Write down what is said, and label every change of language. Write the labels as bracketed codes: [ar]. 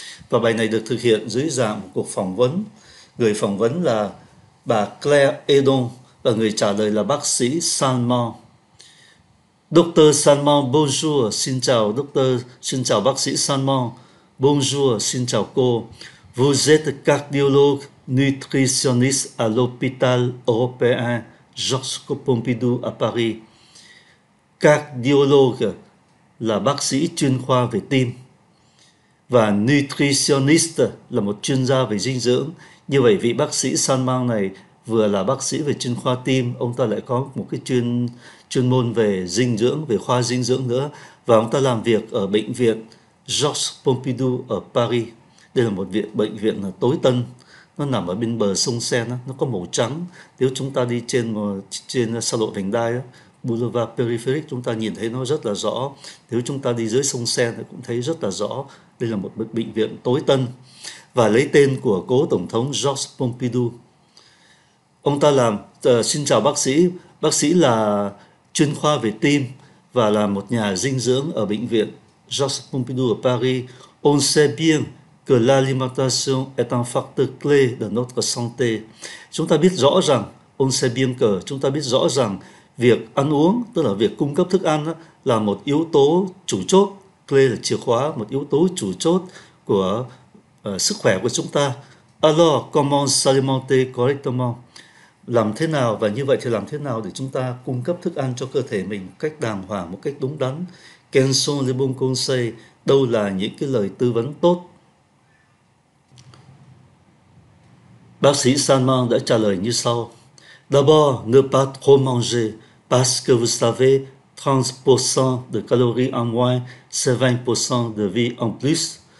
[vi] Và bài này được thực hiện dưới dạng một cuộc phỏng vấn. Người phỏng vấn là bà Claire Edon và người trả lời là bác sĩ Salmon. Dr. Salmon, bonjour, xin chào Dr. Xin chào bác sĩ Salmon, bonjour, xin chào cô. [fr] Vous êtes cardiologue nutritionniste à l'hôpital européen Georges Pompidou à Paris. [vi] Cardiologue là bác sĩ chuyên khoa về tim. Và nutritionniste là một chuyên gia về dinh dưỡng. Như vậy vị bác sĩ Salmon này vừa là bác sĩ về chuyên khoa tim, ông ta lại có một cái chuyên môn về dinh dưỡng, về khoa dinh dưỡng nữa. Và ông ta làm việc ở bệnh viện Georges Pompidou ở Paris. Đây là một bệnh viện là tối tân. Nó nằm ở bên bờ sông Seine, nó có màu trắng. Nếu chúng ta đi trên xa lộ Vành Đai, Boulevard Périphérique, chúng ta nhìn thấy nó rất là rõ. Nếu chúng ta đi dưới sông Seine cũng thấy rất là rõ. Đây là một bệnh viện tối tân. Và lấy tên của cố Tổng thống Georges Pompidou. Ông ta làm, xin chào bác sĩ. Bác sĩ là chuyên khoa về tim và là một nhà dinh dưỡng ở bệnh viện Georges Pompidou ở Paris. [fr] On sait bien que l'alimentation est un facteur clé de notre santé. [vi] Chúng ta biết rõ rằng, [fr] on sait bien que, [vi] chúng ta biết rõ rằng việc ăn uống, tức là việc cung cấp thức ăn là một yếu tố chủ chốt, clé là chìa khóa, một yếu tố chủ chốt của sức khỏe của chúng ta. [fr] Alors, comment s'alimenter correctement? [vi] Làm thế nào và như vậy thì làm thế nào để chúng ta cung cấp thức ăn cho cơ thể mình cách đàng hoàng, một cách đúng đắn? [fr] Quels sont les bons conseils? [vi] Đâu là những cái lời tư vấn tốt? Bác sĩ Salmon đã trả lời như sau. [fr] D'abord, ne pas trop manger parce que vous savez 30% de calories en moins, c'est 20% de vie en plus.